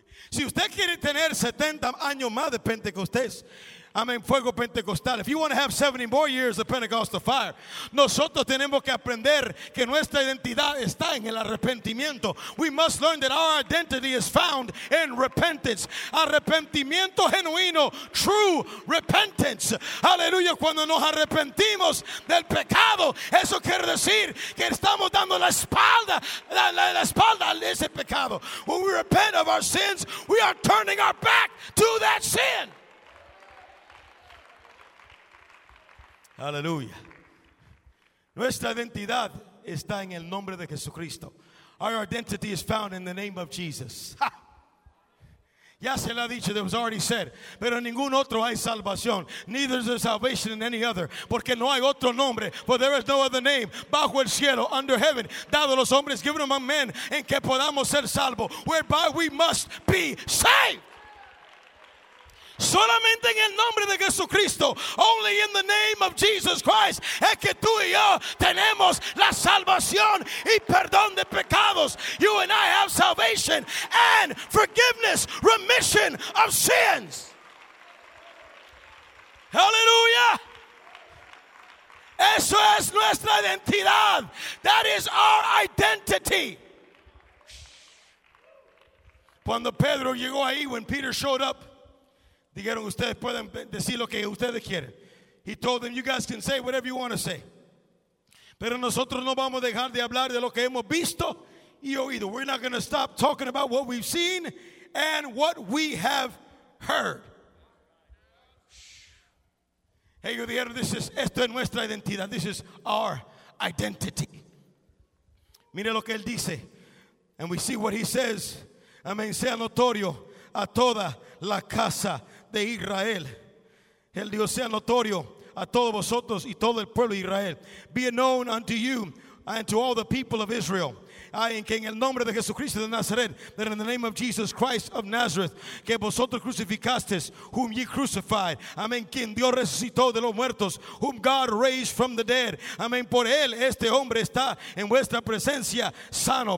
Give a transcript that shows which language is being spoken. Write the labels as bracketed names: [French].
[Spanish] Si usted quiere tener 70 años más de Pentecostés, amén, fuego pentecostal. [English] If you want to have 70 more years of Pentecostal fire, [Spanish] nosotros tenemos que aprender que nuestra identidad está en el arrepentimiento. [English] We must learn that our identity is found in repentance. [Spanish] Arrepentimiento genuino, [English] true repentance. [Spanish] Aleluya, cuando nos arrepentimos del pecado, eso quiere decir que estamos dando la espalda a ese pecado. [English] When we repent of our sins, we are turning our back to that sin. [Spanish] Aleluya. Nuestra identidad está en el nombre de Jesucristo. [English] Our identity is found in the name of Jesus. [Spanish] Ha. Ya se le ha dicho, [English] it was already said. [Spanish] Pero en ningún otro hay salvación. [English] Neither is there salvation in any other. [Spanish] Porque no hay otro nombre. [English] For there is no other name. [Spanish] Bajo el cielo, [English] under heaven. [Spanish] Dado a los hombres, [English] given among men. [Spanish] En que podamos ser salvos. [English] Whereby we must be saved. [Spanish] Solamente en el nombre de Jesucristo, [English] only in the name of Jesus Christ, [Spanish] es que tú y yo tenemos la salvación y perdón de pecados. [English] You and I have salvation and forgiveness, remission of sins. [Spanish] Aleluya. Eso es nuestra identidad. [English] That is our identity. [Spanish] Cuando Pedro llegó ahí, [English] when Peter showed up, [Spanish] dijeron, ustedes pueden decir lo que ustedes quieren. [English] He told them, you guys can say whatever you want to say. [Spanish] Pero nosotros no vamos a dejar de hablar de lo que hemos visto y oído. [English] We're not going to stop talking about what we've seen and what we have heard. [Spanish] Ellos dijeron, [English] this is, [Spanish] esto es nuestra identidad. [English] This is our identity. [Spanish] Mire lo que él dice. [English] And we see what he says. [Spanish] Amén. Sea notorio a toda la casa de Israel. El Dios sea notorio a todos vosotros y todo el pueblo de Israel. [English] Be it known unto you and to all the people of Israel. [Spanish] Ay, en que en el nombre de Jesucristo de Nazaret, [English] that in the name of Jesus Christ of Nazareth, [Spanish] que vosotros crucificasteis, [English] whom ye crucified, [Spanish] amén, quien Dios resucitó de los muertos, [English] whom God raised from the dead, [Spanish] amén, por él este hombre está en vuestra presencia sano.